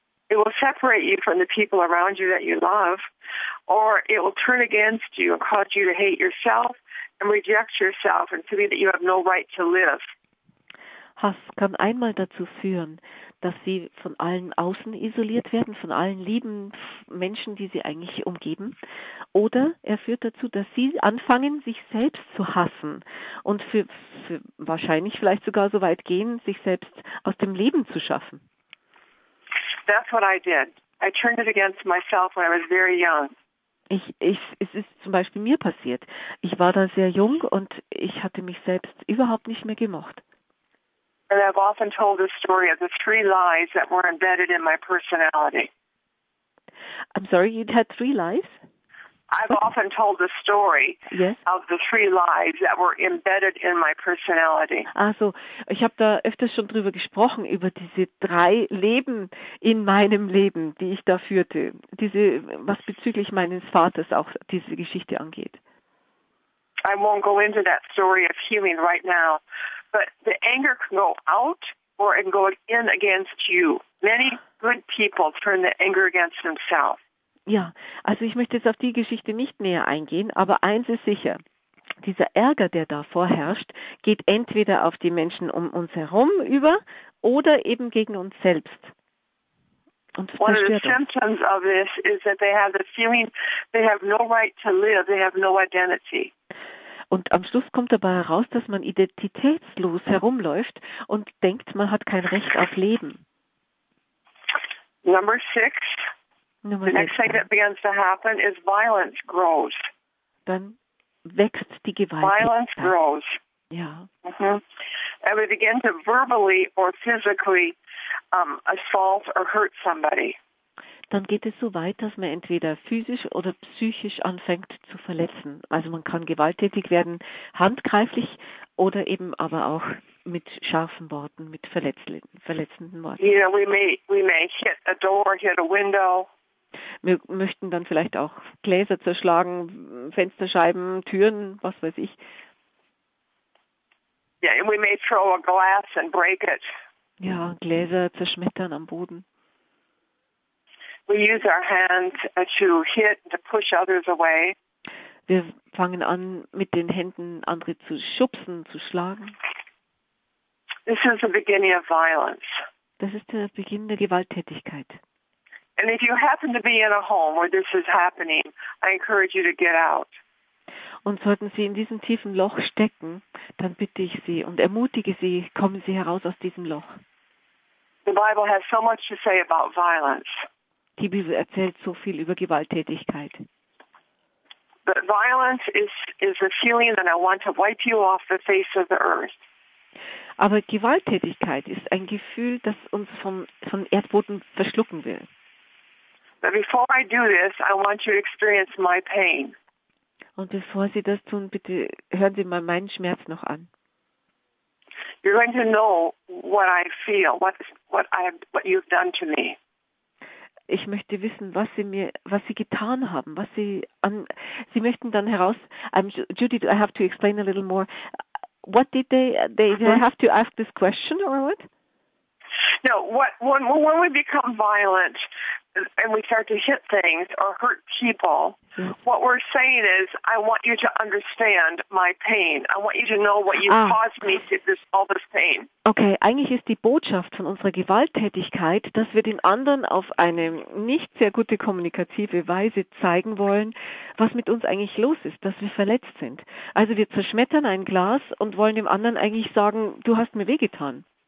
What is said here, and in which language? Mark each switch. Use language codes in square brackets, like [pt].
[en] It will separate you from the people around you that you love, or it will turn against you and cause you to hate yourself and reject yourself and feel that you have no right to live. [de] Hass kann einmal dazu führen, dass sie von allen außen isoliert werden, von allen lieben Menschen, die sie eigentlich umgeben. Oder er führt dazu, dass sie anfangen, sich selbst zu hassen und für wahrscheinlich vielleicht sogar so weit gehen, sich selbst aus dem Leben zu schaffen. [en] That's what I did. I turned it against myself when I was very young. [de] Es ist zum Beispiel mir passiert. Ich war da sehr jung und ich hatte mich selbst überhaupt nicht mehr gemocht. [en] And I've often told the story of the three lies that were embedded in my personality. I'm sorry, you'd had three lies? I've what? Often told the story yes. of the three lies that were embedded in my personality. [de] Also, ich habe da öfters schon drüber gesprochen, über diese drei Leben in meinem Leben, die ich da führte. Diese, was bezüglich meines Vaters auch diese Geschichte angeht. [en] I won't go into that story of healing right now. But the anger can go out or it can go in against you. Many good people turn the anger against themselves. [de] Ja, also ich möchte jetzt auf die Geschichte nicht näher eingehen, aber eins ist sicher. Dieser Ärger, der da vorherrscht, geht entweder auf die Menschen um uns herum über oder eben gegen uns selbst. Und [en] one of the symptoms of this is that they have the feeling they have no right to live, they have no identity. [de] Und am Schluss kommt dabei heraus, dass man identitätslos herumläuft und denkt, man hat kein Recht auf Leben. [en] Number six. The next thing that begins to happen is violence grows. [de] Dann wächst die Gewalt. [en] Violence grows. [de] Ja. [en] Mm-hmm. And we begin to verbally or physically assault or hurt somebody. [de] Dann geht es so weit, dass man entweder physisch oder psychisch anfängt zu verletzen. Also man kann gewalttätig werden, handgreiflich oder eben aber auch mit scharfen Worten, mit verletzenden Worten. [en] You know, we may hit a door, hit a window. [de] Wir möchten dann vielleicht auch Gläser zerschlagen, Fensterscheiben, Türen, was weiß ich. [en] Yeah, we may throw a glass and break it. [de] Ja, Gläser zerschmettern am Boden. [en] We use our hands to hit and to push others away. [de] Wir fangen an, mit den Händen andere zu schubsen, zu schlagen. [en] This is the beginning of violence. [de] Das ist der Beginn der Gewalttätigkeit. [en] And if you happen to be in a home where this is happening, I encourage you to get out. [de] Und sollten Sie in diesem tiefen Loch stecken, dann bitte ich Sie und ermutige Sie, kommen Sie heraus aus diesem Loch. [en] The Bible has so much to say about violence. [de] Die Bibel erzählt so viel über Gewalttätigkeit. [en] But violence is a feeling that I want to wipe you off the face of the earth. [de] Aber Gewalttätigkeit ist ein Gefühl, das uns vom Erdboden verschlucken will. [en] But before I do this, I want you to experience my pain. [de] Und bevor Sie das tun, bitte hören Sie mal meinen Schmerz noch an. [en] You're going to know what I feel, what you've done to me. [de] Ich möchte wissen, was Sie getan haben, was Sie an. Sie möchten dann heraus. [en] Judith, I have to explain a little more. What did they? Mm-hmm. Did I have to ask this question or what? No. When we become violent, and we start to hit things or hurt people, what we're saying is, I want you to understand my pain. I want you to know what you caused me to this, all this pain. [de] Okay, eigentlich ist die Botschaft von unserer Gewalttätigkeit, dass wir den anderen auf eine nicht sehr gute kommunikative Weise zeigen wollen, was mit uns eigentlich los ist, dass wir verletzt sind. Also wir zerschmettern ein Glas und wollen dem anderen eigentlich sagen, du hast mir wehgetan.